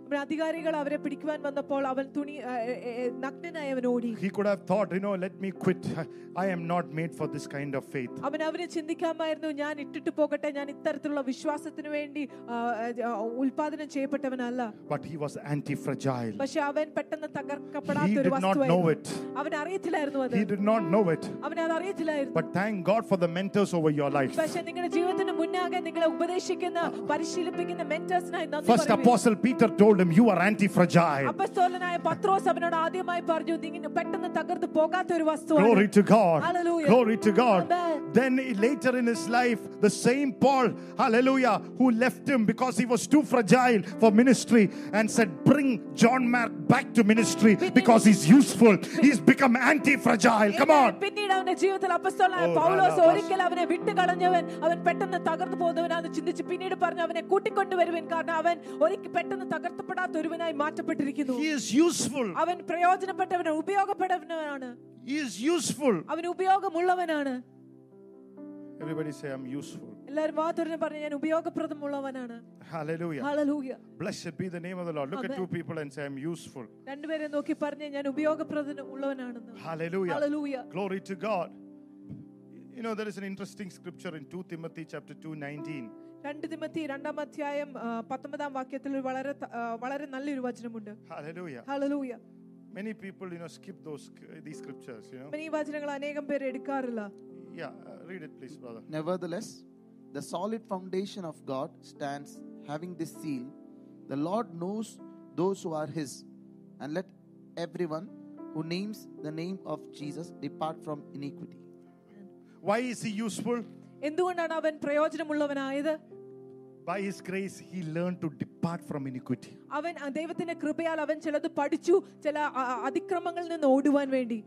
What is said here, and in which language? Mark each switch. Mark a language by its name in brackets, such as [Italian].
[Malayalam] അധികാരികൾ അവരെ പിടിക്കുവാൻ വന്നപ്പോൾ അവൻ തുണി നഗ്നനായി അവൻ ഓടി. [English] He could have thought, you know, let me quit. I am not made for this kind of faith. [Malayalam] അവൻ അവരെ ചിന്തിക്കാമായിരുന്നു, ഞാൻ ഇട്ടിട്ട് പോകട്ടെ, ഞാൻ ഇത്തരത്തിലുള്ള വിശ്വാസത്തിന് വേണ്ടി ഉൽപാദനം ചെയ്യപ്പെട്ടവനല്ല. [English] But he was antifragile. [Malayalam] പക്ഷേ അവൻ പെട്ടെന്ന് തകർക്കപ്പെടാത്ത ഒരു വസ്തുവായിരുന്നു. അവൻ അറിയില്ലായിരുന്നു അത്. [English] He did not know it. [Malayalam] അവൻ അത് അറിയില്ലായിരുന്നു. [English] But thank God for the mentors over your life. [Malayalam] പക്ഷേ നിങ്ങളുടെ ജീവിതത്തിന് മുന്നാകെ നിങ്ങളെ ഉപദേശിക്കുന്ന പരിശീലിപ്പിക്കുന്ന മെന്റേഴ്സിനായി നന്ദി പറയുന്നു. [English] First apostle Peter told him, you are antifragile. [Malayalam] അപ്പോസ്തലനായ പത്രോസ് അവനോട് ആദ്യമായി പറഞ്ഞു, നിങ്ങനെ പെട്ടെന്ന് തകർന്നു പോകാത്ത ഒരു വസ്തുവാണ്. [English] Glory to God. Hallelujah. Glory to God. Then later in his life, the same Paul, hallelujah, who left him because he was too fragile for ministry and said, bring John Mark back to ministry because he's useful. He's become antifragile. Come on. [Malayalam] പിന്നീട് അവന്റെ ജീവിതത്തിൽ അപ്പോസ്തലനായ പൗലോസ് ഒരിക്കൽ അവനെ വിട്ടു കളഞ്ഞവൻ, അവൻ പെട്ടെന്ന് തകർന്നു പോകുന്നവനാണ് എന്ന് ചിന്തിച്ച് പിന്നീട് പറഞ്ഞു, അവനെ കൂട്ടിക്കൊണ്ടുവരുവിൻ, കാരണം അവൻ ഒരിക്കൽ പെട്ടെന്ന് തകർത്തപ്പെടാത്ത ഒരുവനായി മാറ്റപ്പെട്ടിരിക്കുന്നു. [English] He is useful. [Malayalam] അവൻ പ്രയോജനപ്പെട്ടവനാണ്, ഉപയോഗപ്പെട്ടവനാണ്. [English] He is useful. [Malayalam] അവൻ ഉപയോഗമുള്ളവനാണ്. [English] Everybody say, I'm useful. [Malayalam] എല്ലാവരും വാ തുറന്ന് പറഞ്ഞു, ഞാൻ ഉപയോഗപ്രദമുള്ളവനാണ്. [English] Hallelujah. Hallelujah. Blessed be the name of the Lord. Look at two people and say, I'm useful. [Malayalam] രണ്ടുപേരെ നോക്കി പറഞ്ഞു, ഞാൻ ഉപയോഗപ്രദമുള്ളവനാണ്. [English] Hallelujah. Hallelujah. Glory to God. You know, there is an interesting scripture in 2 Timothy chapter 2:19. [Malayalam] രണ്ടു Timothy രണ്ടാം അധ്യായം പത്തൊമ്പതാം വാക്യത്തിൽ വളരെ വളരെ നല്ലൊരു വചനമുണ്ട്. [English] Hallelujah. Hallelujah. Many people, you know, skip these scriptures, you know. [Malayalam] Many വചനങ്ങൾ അനേകം പേര് എടുക്കാറില്ല. [English] Yeah, read it please, brother. Nevertheless, the solid foundation of God stands, having this seal, the Lord knows those who are his, and let everyone who names the name of Jesus depart from iniquity. Why is he useful? [Malayalam] എന്തുകൊണ്ടാണ് അവൻ പ്രയോജനമുള്ളവനായത്? [English] By his grace he learned to depart from iniquity. [Malayalam] അവൻ ദൈവത്തിന്റെ കൃപയാൽ അവൻ ചിലത് പഠിച്ചു, ചില അതിക്രമങ്ങളിൽ നിന്ന് ഓടുവാൻ വേണ്ടി.